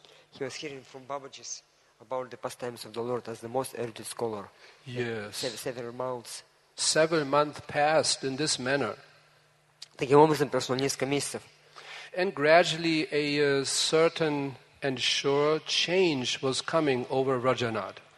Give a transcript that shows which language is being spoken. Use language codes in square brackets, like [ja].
[en] He was hearing from Babaji's about the pastimes of the Lord as the most early scholar. Yes. Several months. Several months passed in this manner. [ru] Таким образом прошло несколько месяцев. [en] And gradually a certain and sure change was coming over Rajanad.